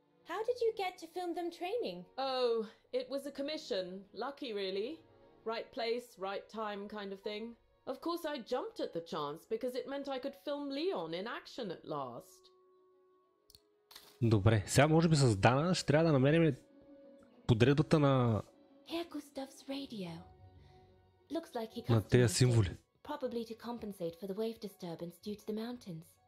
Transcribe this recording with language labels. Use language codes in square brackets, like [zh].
[en] How did you get to film them training? Oh, it was a commission. Lucky, really. Right place, right time kind of thing. Of course, I jumped at the chance because it meant I could film Leon in action at last. [bg] Добре, сега може би с Дана ще трябва да намерим подредбата на... [en] Here Gustav's radio. Looks like he [bg] на тези символи. [en] Probably to compensate for the wave disturbance due to the mountains.